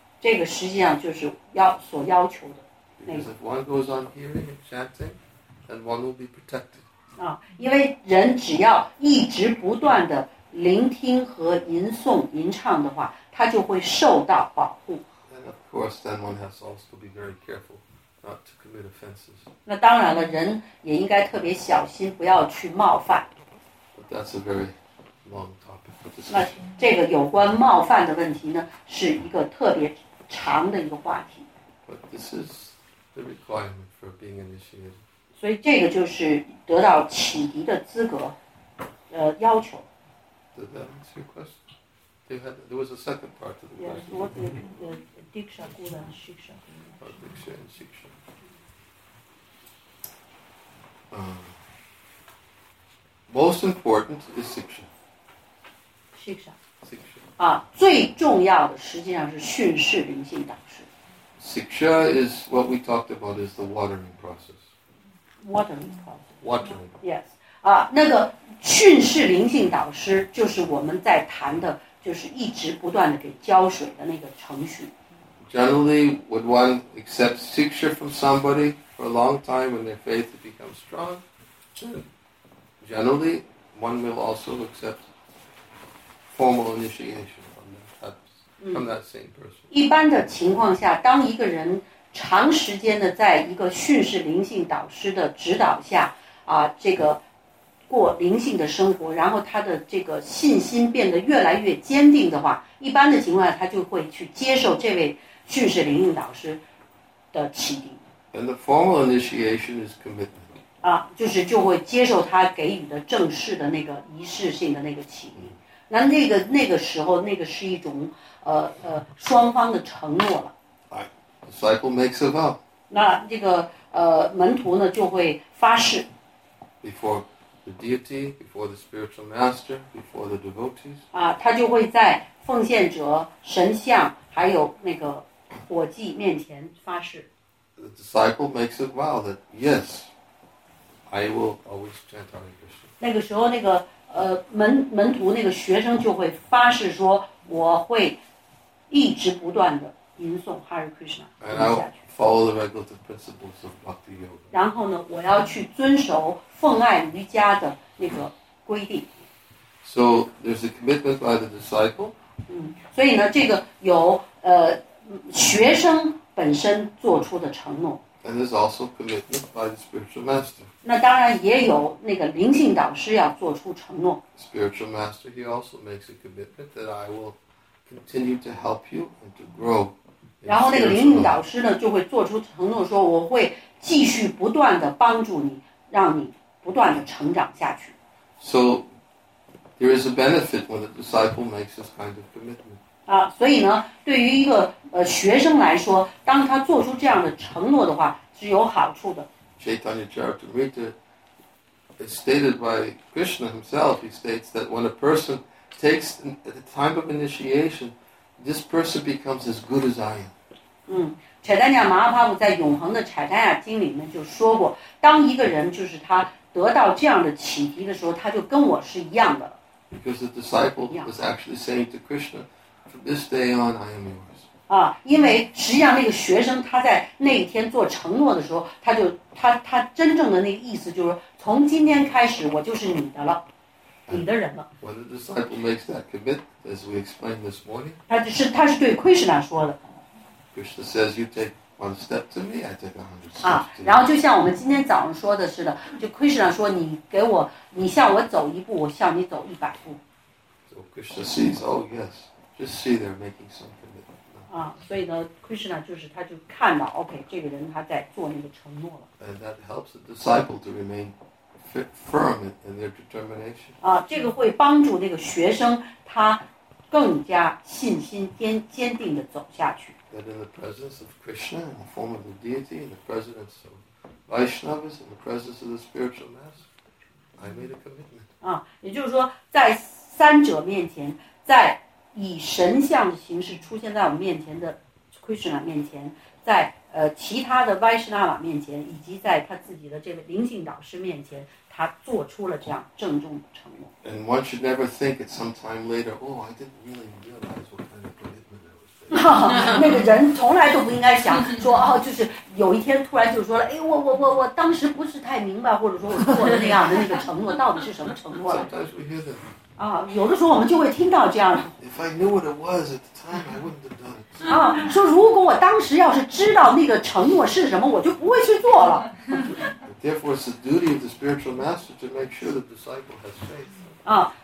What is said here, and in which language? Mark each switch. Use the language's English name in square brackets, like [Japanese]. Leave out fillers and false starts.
[Chinese] 这个实际上就是要所要求的。 [English] Because if one goes on hearing and chanting, then one will be protected. [Chinese] 啊，因为人只要一直不断的。聆听和吟诵、吟唱的话，他就会受到保护。 [English] And of course, then one has also to be very careful not to commit offenses. [Chinese] 那当然了，人也应该特别小心，不要去冒犯。 [English] But that's a very long topic. [Chinese] 那这个有关冒犯的问题呢，是一个特别长的一个话题。 [English] But this is the requirement for being initiated. [Chinese] 所以这个就是得到启迪的资格，要求。 [English] Did that answer your question? There was a second part to the question. Yes, what is Diksha Gula and Shiksha Gula? Oh, Diksha and Shiksha. Um, Most important is siksha. Siksha. Siksha. [Chinese] 最重要的实际上是训示灵性导师。 [English] Siksha is what we talked about is the watering process. Watering process. Watering. Yes. [Chinese] 那个训示灵性导师就是我们在谈的就是一直不断的给浇水的那个程序。 [English] Generally, when one accepts siksha from somebody for a long time and their faith becomes strong, generally, one will also accept formal initiation from that same person. [Chinese] 一般的情况下，当一个人长时间的在一个训示灵性导师的指导下，这个过灵性的生活，然后他的这个信心变得越来越坚定的话，一般的情况下，他就会去接受这位训示灵性导师的启迪。 [English] And the formal initiation is commitment. [Chinese] 就是就会接受他给予的正式的那个仪式性的那个启迪。那那个时候，那个是一种双方的承诺了。 [English] Right. Disciple makes a vow. [Chinese] 那这个门徒呢就会发誓。 [English] Before the deity, before the spiritual master, before the devotees. [Chinese] 他就会在奉献者、神像还有那个伙计面前发誓。 [English] The disciple makes a vow that yes, I will always chant Hare Krishna. [Chinese] 那个时候，那个门徒那个学生就会发誓说，我会一直不断的吟诵 Hare Krishna。 [English] And I'll follow the regulative principles of Bhakti Yoga. [Chinese] 然后呢，我要去遵守奉爱瑜伽的那个规定。 [English] So there's a commitment by the disciple. [Chinese] 所以呢，这个有学生本身做出的承诺。 [English] And there's also commitment by the spiritual master. [Chinese] 那当然也有那个灵性导师要做出承诺。 [English] Spiritual master, he also makes a commitment that I will continue to help you and to grow. [Chinese] 然后那个灵性导师呢就会做出承诺说，我会继续不断的帮助你，让你不断的成长下去。 [English] So there is a benefit when a disciple makes this kind of commitment. [Chinese] 所以呢，对于一个学生来说，当他做出这样的承诺的话，是有好处的。 [English] Chaitanya Charitamrita is stated by Krishna himself. He states that when a person takes at the time of initiation, this person becomes as good as I am. [Chinese] Chaitanya Mahaprabhu 在《永恒的 Chaitanya 经》里面就说过，当一个人就是他得到这样的启迪的时候，他就跟我是一样的。 [English] Because the disciple was actually saying to Krishna, from this day on, I am yours. [Chinese] 因为实际上那个学生他在那一天做承诺的时候，他真正的那个意思就是从今天开始我就是你的了，你的人了。 [English] When the disciple makes that commitment, as we explained this morning, [Chinese] 他是对 Krishna 说的。 [English] Krishna says, "You take one step to me, I take 100 steps." [Chinese] 然后就像我们今天早上说的似的，就 Krishna 说你向我走一步，我向你走100步。 [English] So Krishna sees, oh yes, just see they're making some commitment. [Chinese] 所以呢 ，Krishna 就是他就看到 ，OK， 这个人他在做那个承诺了。 [English] And that helps the disciple to remain firm in their determination. [Chinese] 这个会帮助那个学生他更加信心坚定的走下去。 [English] That in the presence of Krishna, in the form of the deity, in the presence of Vaishnavas, in the presence of the spiritual master, I made a commitment. [Chinese] 也就是说，在三者面前，在以神像的形式出现在我们面前的 Krishna 面前，在其他的 Vaishnava 面前，以及在他自己的这个灵性导师面前，他做出了这样郑重的承诺。 [English] And one should never think at some time later, oh, I didn't really realize what kind of commitment. [Chinese] 那个人从来都不应该想说就是有一天突然就说了，哎，我当时不是太明白，或者说我做的那样的那个承诺到底是什么承诺了。有的时候我们就会听到这样的。 [English] If I knew what it was at the time, I wouldn't have done it. [Chinese] 说如果我当时要是知道那个承诺是什么，我就不会去做了。 [English] Therefore, it's the duty of the spiritual master to make sure the disciple has faith.